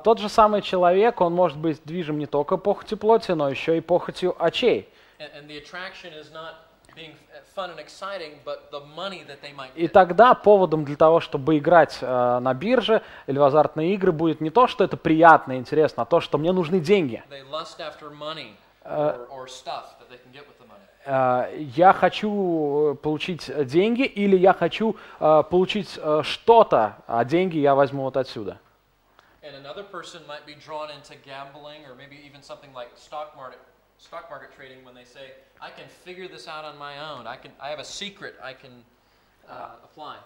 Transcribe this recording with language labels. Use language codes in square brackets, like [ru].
[ru] Тот же самый человек, он может быть движим не только похотью плоти, но еще и похотью очей. [en] And the attraction is not being fun and exciting, but the money that they might get. [ru] И тогда поводом для того, чтобы играть на бирже или в азартные игры, будет не то, что это приятно и интересно, а то, что мне нужны деньги. [en] They lust after money or stuff that they can get with the money. [ru] Я хочу получить деньги, или я хочу получить что-то, а деньги я возьму вот отсюда. [en] And another person might be drawn into gambling or maybe even something like stock market trading when they say, I can figure this out on my own. I have a secret I can apply.